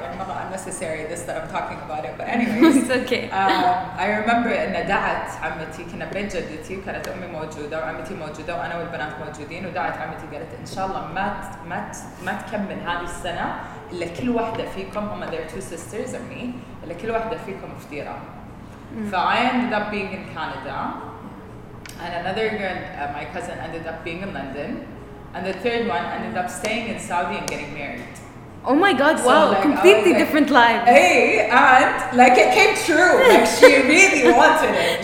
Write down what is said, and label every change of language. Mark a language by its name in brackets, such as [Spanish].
[English] I'm not unnecessary this that I'm talking about it, but anyways. It's okay. I remember [Arabic] إن دعت عمتي كنا بين جدتي وكانت أمي موجودة وعمتي موجودة وأنا والبنات موجودين ودعت عمتي قالت إن شاء الله ما تكمل هذه السنة إلا كل واحدة فيكم هما [English] their two sisters and me [Arabic] إلا كل واحدة فيكم فطيرة. [English] So I ended up being in Canada, and another girl, my cousin, ended up being in London, and the third one ended up staying in Saudi and getting married. Oh my God! So wow, like, completely different lives. Hey, and like it came true. Like she really wanted it.